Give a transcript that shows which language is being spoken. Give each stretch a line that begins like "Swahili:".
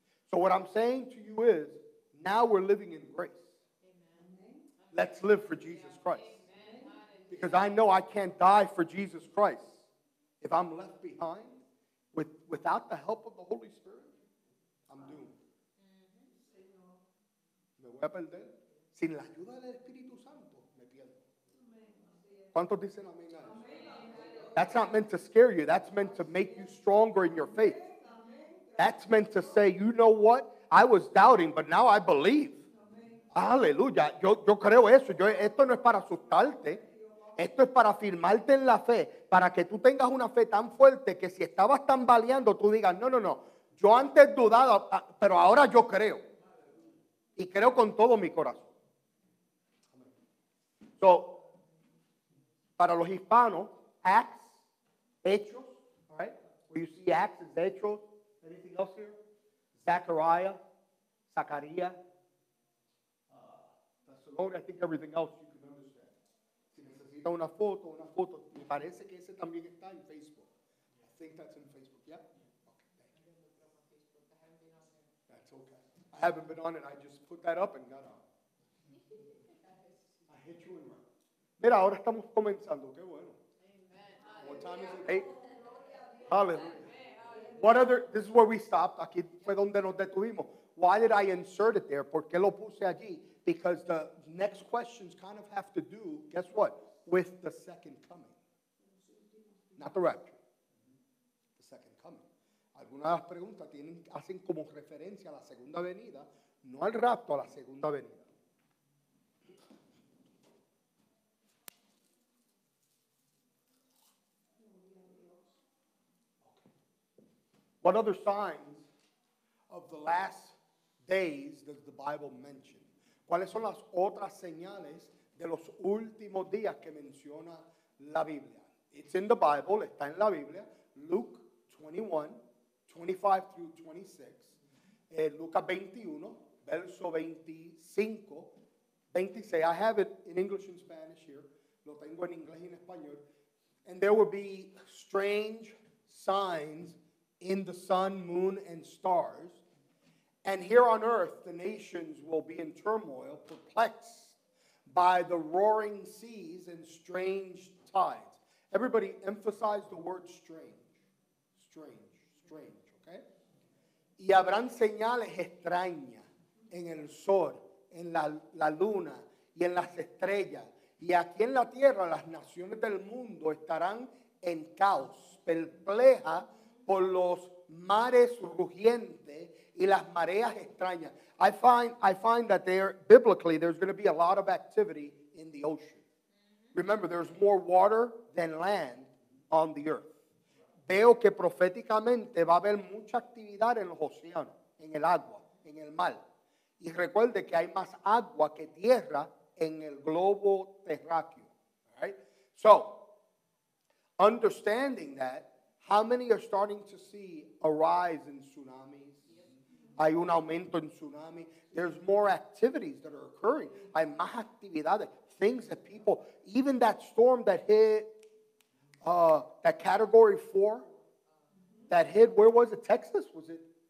English: So what I'm saying to you is, now we're living in grace. Let's live for Jesus Christ. Because I know I can't die for Jesus Christ if I'm left behind without the help of the Holy Spirit. I'm doomed.
Spanish: Me voy a perder. Sin la ayuda del Espíritu Santo, me pierdo. ¿Cuántos dicen amén?
English: That's not meant to scare you. That's meant to make you stronger in your faith. That's meant to say, you know what? I was doubting, but now I believe.
Spanish: Aleluya, yo creo eso. Esto no es para asustarte. Esto es para afirmarte en la fe. Para que tú tengas una fe tan fuerte que si estabas tambaleando, tú digas, no. Yo antes dudaba, pero ahora yo creo. Y creo con todo mi corazón. So, para los hispanos, Acts, Hechos, right?
English: Where you see Acts and Hechos. Anything else here? Zachariah. I think everything else you can understand.
Spanish: Si necesita una foto. Me parece que ese también está en Facebook.
English: I think that's in Facebook, yeah? Okay, thank you. That's okay. I haven't been on it. I just put that up and got on. I hit you in my mouth.
Spanish: Mira, ahora estamos comenzando. Qué bueno.
English: Amen. What time is it? Eight. Hallelujah. What other, this is where we stopped.
Spanish: Aquí fue donde nos detuvimos.
English: Why did I insert it there?
Spanish: ¿Por qué lo puse allí?
English: Because the next questions kind of have to do, guess what, with the second coming. Not the rapture. The second coming.
Spanish: Algunas de las preguntas hacen como referencia a la segunda venida, no al rapto, a la segunda venida.
English: What other signs of the last days does the Bible mention?
Spanish: ¿Cuáles son las otras señales de los últimos días que menciona la Biblia?
English: It's in the Bible,
Spanish: está en la Biblia.
English: Luke 21, 25 through 26.
Spanish: Lucas 21, verso 25, 26.
English: I have it in English and Spanish here.
Spanish: Lo tengo en inglés y en español.
English: And there will be strange signs in the sun, moon, and stars. And here on earth, the nations will be in turmoil, perplexed by the roaring seas and strange tides. Everybody emphasize the word strange. Strange, okay?
Spanish: Y habrán señales extrañas en el sol, en la luna, y en las estrellas. Y aquí en la tierra, las naciones del mundo estarán en caos, perpleja por los mares rugientes, y las mareas extrañas.
English: I find that there, biblically, there's going to be a lot of activity in the ocean. Remember, there's more water than land on the earth.
Spanish: Veo que proféticamente va a haber mucha actividad en los océanos, en el agua, en el mar. Y recuerde que hay más agua que tierra en el globo terráqueo.
English: Right? So, understanding that, How many are starting to see a rise in tsunamis?
Spanish: Hay un aumento en tsunami.
English: There's more activities that are occurring.
Spanish: Hay más actividades.
English: Things that people, even that storm that hit that category 4, that hit, where was it? Texas? Was it?